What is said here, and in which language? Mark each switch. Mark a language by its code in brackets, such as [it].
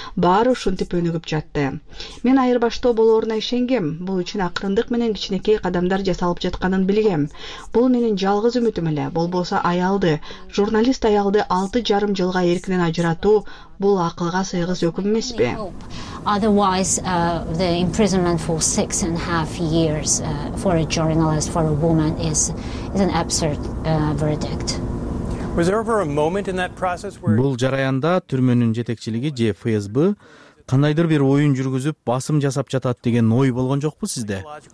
[ky] Баары ушинтип өнүгүп жатты. Мен айырбаштоо болооруна ишенгем. Бул үчүн акырындык менен кичинекей кадамдар жасалып жатканын билгем. Бул менин жалгыз үмүтүм эле. Болбосо аялды, журналист аялды 6.5 жылга эркинен ажыратуу бул акылга сыйгыз өкүм эмеспи? [en] Otherwise, the imprisonment for 6.5 years for a journalist, for a woman, is an absurd verdict. Was there ever a moment in that process where... [ky] Бул жараянда түрмөнүн жетекчилиги же ФСБ кандайдыр бир оюн жүргүзүп, басым жасап жатат деген ой болгон жокпу сизде?